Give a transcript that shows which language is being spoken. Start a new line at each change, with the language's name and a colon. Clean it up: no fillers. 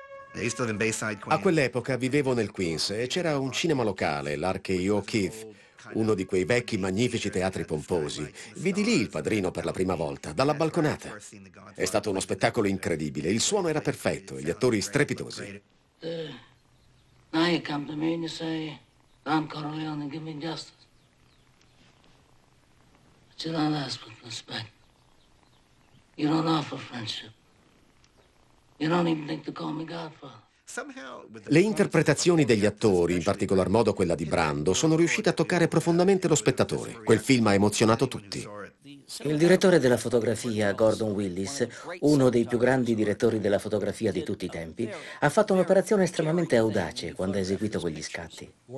Italian: A quell'epoca vivevo nel Queens e c'era un cinema locale, l'Arche O'Keefe, uno di quei vecchi magnifici teatri pomposi. Vidi lì Il Padrino per la prima volta, dalla balconata. È stato uno spettacolo incredibile, il suono era perfetto e gli attori strepitosi.
English: Now you come to me and you say, Don Corleone, give me justice. But you don't ask with respect. You don't offer friendship. You don't even think to call me godfather.
Italian: Le interpretazioni degli attori, in particolar modo quella di Brando, sono riuscite a toccare profondamente lo spettatore. Quel film ha emozionato tutti. Il direttore della fotografia, Gordon Willis, uno dei più grandi direttori della fotografia di tutti i tempi, ha fatto un'operazione estremamente audace quando ha eseguito quegli scatti.